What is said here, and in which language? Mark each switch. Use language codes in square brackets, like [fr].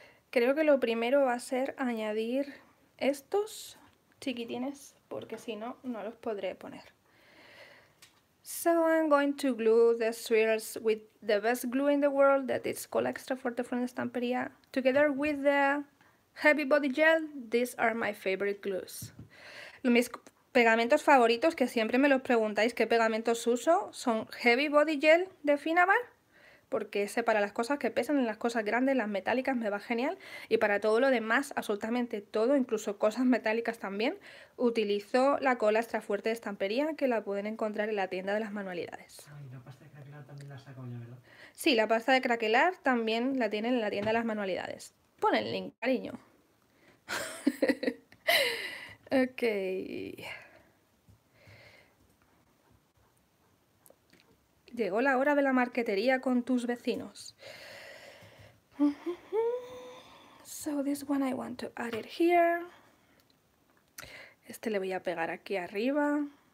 [es] Creo que lo primero va a ser añadir estos chiquitines, porque si no, no los podré poner. [en] So I'm going to glue the swirls with the best glue in the world, that is called extra forte from Estampería, together with the heavy body gel. These are my favorite glues. [es] Mis pegamentos favoritos, que siempre me los preguntáis qué pegamentos uso, son heavy body gel de Finavan, porque ese para las cosas que pesan, las cosas grandes, las metálicas, me va genial. Y para todo lo demás, absolutamente todo, incluso cosas metálicas también, utilizo la cola extra fuerte de estampería que la pueden encontrar en la tienda de las manualidades. Ay, la pasta de craquelar también la saco yo, ¿verdad? Sí, la pasta de craquelar también la tienen en la tienda de las manualidades. Pon el link, cariño. [en] Okay. [es] Llegó la hora de la marquetería con tus vecinos. [en] So this one I want to add it here. [es] Este le voy a pegar aquí arriba.